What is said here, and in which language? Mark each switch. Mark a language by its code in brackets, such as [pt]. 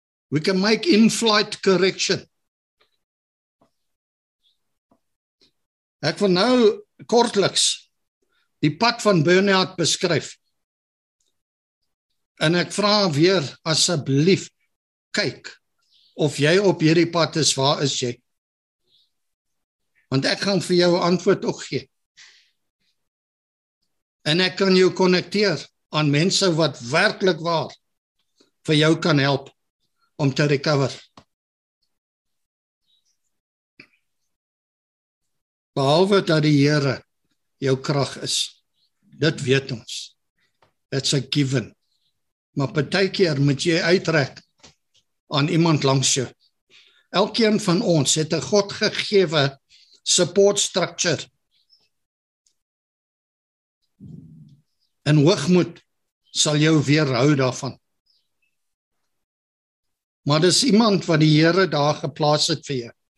[en] We can make in-flight correction. [af] Ek wil nou kortliks die pad van burn-out beskryf. En ek vra weer, asseblief, kyk of jy op hierdie pad is, waar is jy? Want ek gaan vir jou antwoord ook gee. En ek kan jou connecteer aan mense wat werklik waar vir jou kan help om te recover. Behalwe dat die Here jou krag is, dit weet ons. [en] It's a given. [af] Maar partykeer moet jy uitrek aan iemand langs jou. Elkeen van ons het 'n God gegewe support structure. En hoogmoed sal jou weerhou daarvan. Maar dis iemand wat die Here daar geplaas het vir jou.